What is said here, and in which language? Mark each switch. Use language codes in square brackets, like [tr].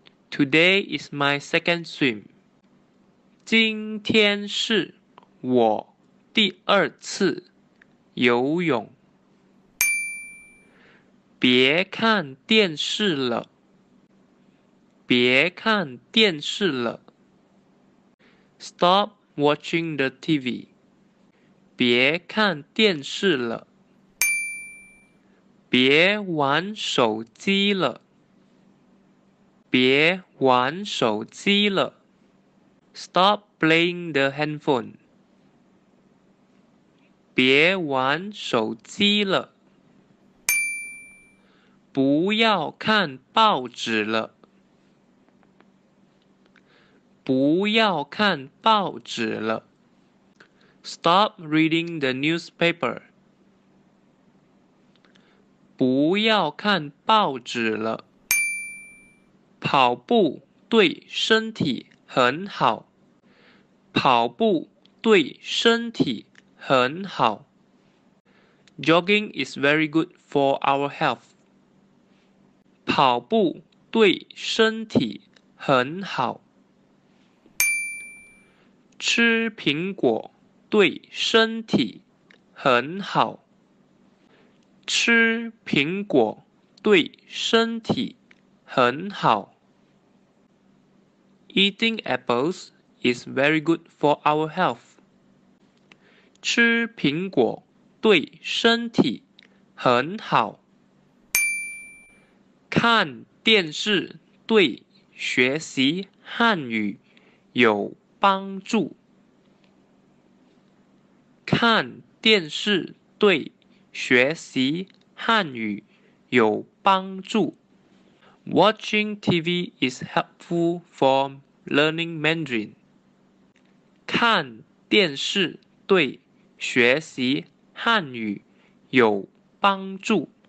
[en] Today is my second swim. [zh] 今天是我第二次游泳。别看电视了。别看电视了。 [en] Stop watching the TV. [zh] 别看电视了，别玩手机了，别玩手机了 ， [en] Stop playing the handphone。 [zh] 别玩手机了，不要看报纸了，不要看报纸了。 [en] Stop reading the newspaper. [zh] 不要看报纸了。跑步对身体很好。跑步对身体很好。 [en] Jogging is very good for our health. [zh] 跑步对身体很好。吃苹果。对身体很好，吃苹果对身体很好。 [en] Eating apples is very good for our health. [zh] 吃苹果对身体很好。看电视对学习汉语有帮助。看电视对学习汉语有帮助。 [en] Watching TV is helpful for learning Mandarin. [zh] 看电视对学习汉语有帮助。